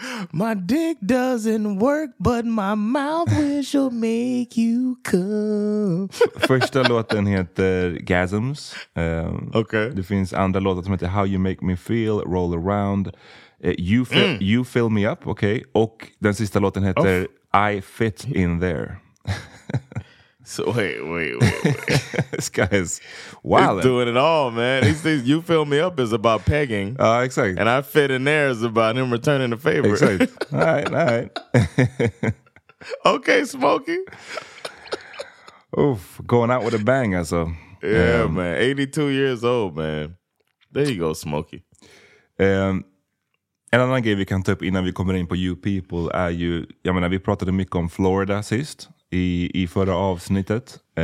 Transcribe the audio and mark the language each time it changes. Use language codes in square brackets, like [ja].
[en] My dick doesn't work, but my mouth will make you come. [sv] Första låten heter Gasms. [en] Okay. [sv] Det finns andra låtar som heter How You Make Me Feel, Roll Around, You Fill Me Up, okay? Och den sista låten heter I Fit In There. [en] So wait. This guy's wild. He's doing it all, man. He's You Fill Me Up is about pegging. Oh, exactly. And I Fit In There is about him returning the favor. Exactly. All right. Okay, Smokey. Oof, going out with a bang, I saw. Yeah, man. 82 years old, man. There you go, Smokey. [sv] En annan grej vi kan ta upp innan vi kommer in på You People är ju, jag menar, vi pratade mycket om Florida sist i förra avsnittet.